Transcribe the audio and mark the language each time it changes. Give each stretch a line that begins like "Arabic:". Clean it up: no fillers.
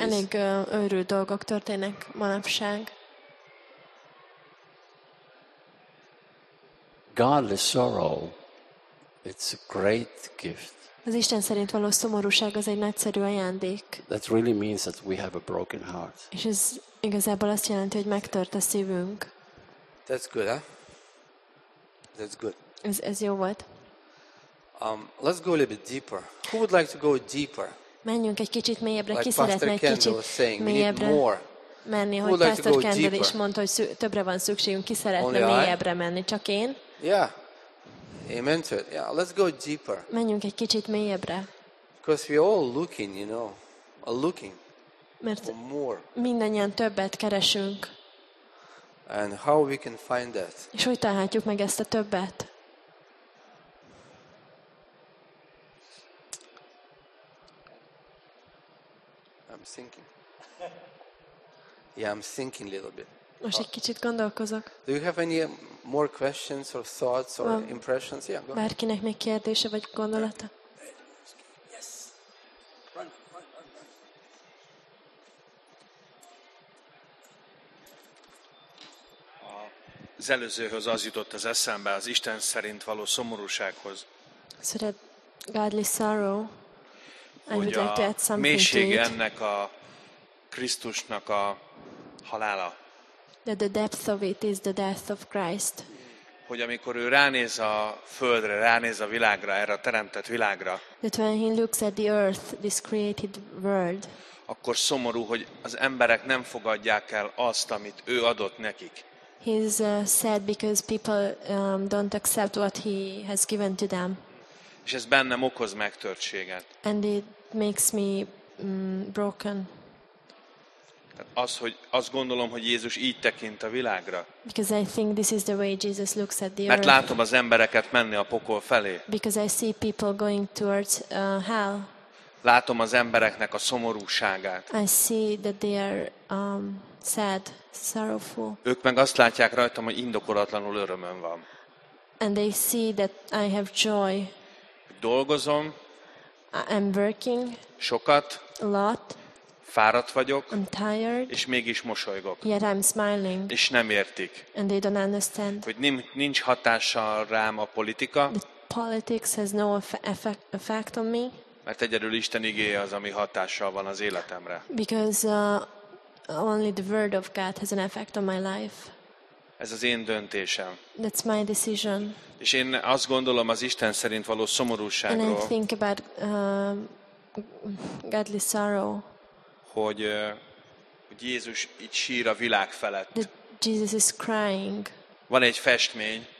Hungarian: Elég őrült dolgok történnek manapság.
English: Godly sorrow, it's a great gift.
Hungarian: Az Isten szerint való szomorúság az egy nagyszerű ajándék.
English: That really means that we have a broken heart.
Hungarian: És ez igazából azt jelenti, hogy megtört a szívünk.
English: That's good, huh? That's good.
Hungarian: Ez jó volt.
English: Let's go a little bit deeper. Who would like to go deeper?
Hungarian: Menjünk egy kicsit mélyebbre.
English: Like
Hungarian: ki szeretne egy kicsit
English: saying,
Hungarian: mélyebbre?
English: We need more.
Hungarian: menni, hogy Pastor Kendall is mondta, hogy többre van szükségünk, ki szeretne mélyebbre menni, csak én.
English: Yeah. Amen to it. Yeah, let's go deeper.
Hungarian: Menjünk egy kicsit mélyebbre.
English: Because we all looking, you know, are looking.
Hungarian: Mert mindannyian többet keresünk.
English: And how we can find that?
Hungarian: És hogy találhatjuk meg ezt a többet?
English: I'm thinking. Yeah, I'm thinking a little bit.
Hungarian: Most egy kicsit gondolkozok.
English: Do you have any more questions or thoughts or impressions? Yeah, go ahead.
Hungarian: Bárkinek még kérdése vagy gondolata? Az előzőhöz az jutott az eszembe, az Isten szerint való szomorúsághoz.
English: So that godly sorrow, I would like to add something to it.
Hungarian: A mélység ennek a Krisztusnak a halála.
English: That the depth of it is the death of Christ.
Hungarian: Hogy amikor ő ránéz a földre, ránéz a világra, erre a teremtett világra.
English: That when he looks at the earth, this created world.
Hungarian: Akkor szomorú, hogy az emberek nem fogadják el azt, amit ő adott nekik.
English: He's sad because people don't accept what he has given to them.
Hungarian: És ez bennem okoz megtörtséget.
English: And it makes me broken.
Hungarian: Tehát az, hogy azt gondolom, hogy Jézus így tekint a világra.
English: Because I think this is the way Jesus looks at the earth.
Hungarian: Mert látom az embereket menni a pokol felé.
English: Because I see people going towards hell.
Hungarian: Látom az embereknek a szomorúságát.
English: I see that they are sad, sorrowful.
Hungarian: Ők meg azt látják rajtam, hogy indokolatlanul örömöm van.
English: And they see that I have joy.
Hungarian: Dolgozom.
English: I'm working.
Hungarian: Sokat.
English: A lot.
Hungarian: Fáradt vagyok.
English: I'm tired.
Hungarian: És mégis mosolygok.
English: Yet I'm smiling.
Hungarian: És nem értik.
English: And they don't understand.
Hungarian: Hogy nincs hatással rám a politika.
English: The politics has no effect on me.
Hungarian: Mert egyedül Isten igéje az, ami hatással van az életemre.
English: Because only the word of God has an effect on my life.
Hungarian: Ez az én döntésem.
English: That's my decision.
Hungarian: És én azt gondolom az Isten szerint való szomorúságról.
English: And I think about godly sorrow.
Hungarian: Hogy Jézus így sír a világ felett.
English: That Jesus is crying.
Hungarian: Van egy festmény.